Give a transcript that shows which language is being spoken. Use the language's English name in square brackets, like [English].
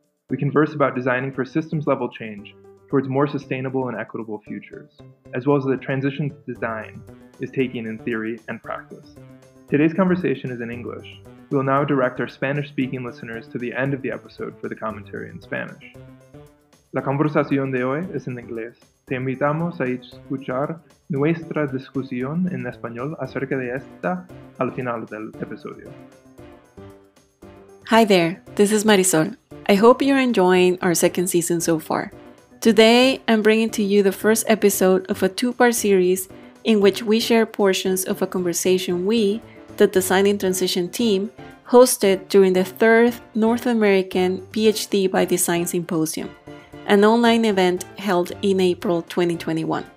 [English] We converse about designing for systems level change towards more sustainable and equitable futures, as well as the transition design is taking in theory and practice. Today's conversation is in English. We will now direct our Spanish-speaking listeners to the end of the episode for the commentary in Spanish. [Spanish] La conversación de hoy es en inglés. Te invitamos a escuchar nuestra discusión en español acerca de esta al final del episodio. [English] Hi there, this is Marisol. I hope you're enjoying our second season so far. Today, I'm bringing to you the first episode of a two-part series in which we share portions of a conversation we, the Design and Transition team, hosted during the third North American PhD by Design Symposium, an online event held in April 2021.